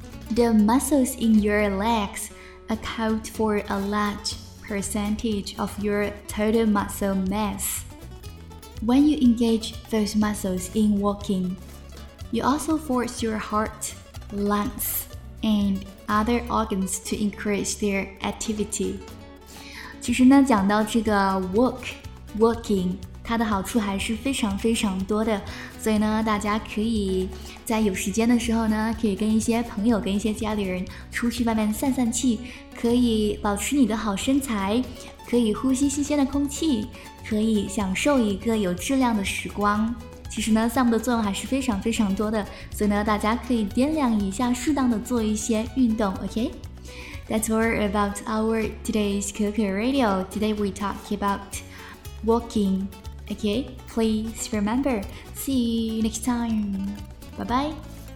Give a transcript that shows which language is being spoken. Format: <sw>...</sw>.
<en>The muscles in your legsaccount for a large percentage of your total muscle mass. When you engage those muscles in walking, you also force your heart, lungs, and other organs to increase their activity.</en> <zh>其实呢，讲到这个 walking, 它的好处还是非常非常多的，所以呢，大家可以在有时间的时候呢，可以跟一些朋友，跟一些家里人出去外面散散气，可以保持你的好身材，可以呼吸新鲜的空气，可以享受一个有质量的时光。其实呢，散步的作用还是非常非常多的，所以呢，大家可以掂量一下，适当的做一些运动。</zh> <en>OK, that's all about our today's Kuku Radio. Today we talk about walking. OK, please remember. See you next time. Bye bye.</en>